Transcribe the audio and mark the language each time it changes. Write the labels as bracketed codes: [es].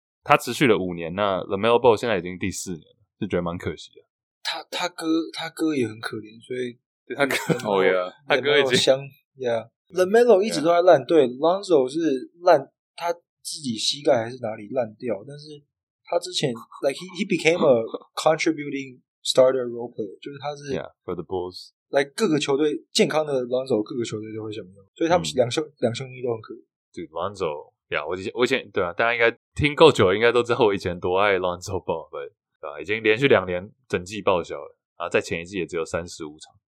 [zh] 他持续了五年，那 LaMelo Ball 现在已经第四年了，是觉得蛮可惜的。他哥也很可怜，所以。对他哥好呀、他哥已经。香呀。 LaMelo 一直都在烂队、,Lonzo 是烂他自己膝盖还是哪里烂掉，但是。他之前 [en] ，like he became a contributing starter role player， [zh] 就是他是 [en] yeah for the Bulls， [zh] like 各个球队健康的 Lonzo 各个球队都会想用，所以他们两兄弟都很可怜。对 Lonzo， yeah， 我以前对啊，大家应该听够久了，应该都知道我以前多爱 Lonzo Ball， 对吧、啊？已经连续两年整季报销了，然后在前一季也只有35场。